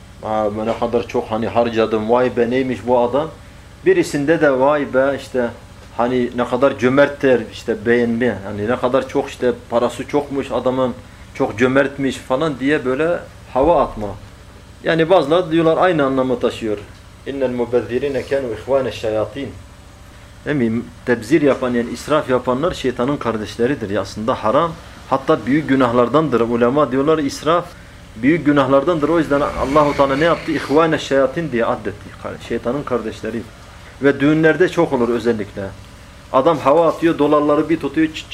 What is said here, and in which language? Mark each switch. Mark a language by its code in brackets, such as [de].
[tr] Aa, ne kadar çok hani harcadım, vay be neymiş bu adam. Birisinde de vay be işte hani ne kadar cömerttir işte beğenme. Hani ne kadar çok işte parası çokmuş adamın, çok cömertmiş falan diye böyle hava atma. Yani bazıları diyorlar aynı anlamı taşıyor. [ar] اِنَّ الْمُبَذِّرِينَ كَانُوا اِخْوَانَ الشَّيَاط۪ينَ [tr] Değil mi? Tebzir yapan yani israf yapanlar şeytanın kardeşleridir. Ya aslında haram. Hatta büyük günahlardandır. Ulema diyorlar israf büyük günahlardandır. O yüzden Allah-u Teala ne yaptı? [ar] اِخْوَانَ الشَّيَاط۪ينَ [tr] diye addetti. Şeytanın kardeşleri. Ve düğünlerde çok olur özellikle. Adam hava atıyor, dolarları bir tutuyor.